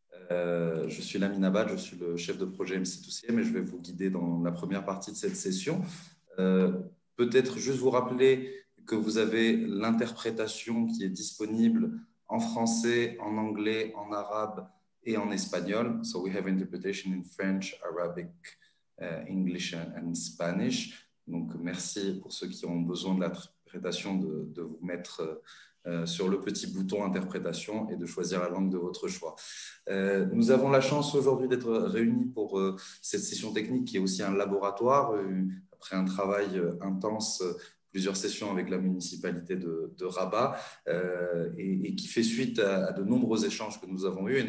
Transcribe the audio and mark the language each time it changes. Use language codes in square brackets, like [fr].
[fr] Je suis Lamine Abad, je suis le chef de projet MC2CM et je vais vous guider dans la première partie de cette session. Peut-être juste vous rappeler que vous avez l'interprétation qui est disponible en français, en anglais, en arabe et en espagnol. [en] So we have interpretation in French, Arabic, English and Spanish. [fr] Donc merci pour ceux qui ont besoin de l'interprétation de vous mettre sur le petit bouton interprétation et de choisir la langue de votre choix. Nous avons la chance aujourd'hui d'être réunis pour cette session technique qui est aussi un laboratoire. Après un travail intense, plusieurs sessions avec la municipalité de Rabat et qui fait suite à de nombreux échanges que nous avons eus.